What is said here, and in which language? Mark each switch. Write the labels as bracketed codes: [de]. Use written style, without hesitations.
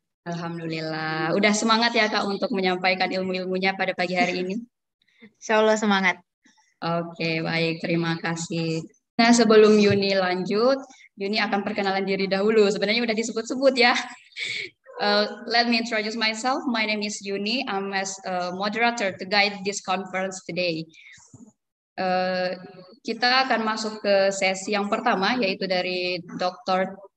[id] Alhamdulillah. Udah semangat ya, Kak, untuk menyampaikan ilmu-ilmunya pada pagi hari ini? Insya Allah semangat. Oke, baik. Terima kasih. Nah, sebelum Yuni lanjut, Yuni akan perkenalan diri dahulu. Sebenarnya udah disebut-sebut ya. [en] Let me introduce myself. My name is Yuni. I'm as a moderator to guide this conference today. [id] Kita akan masuk ke sesi yang pertama, yaitu dari Dr.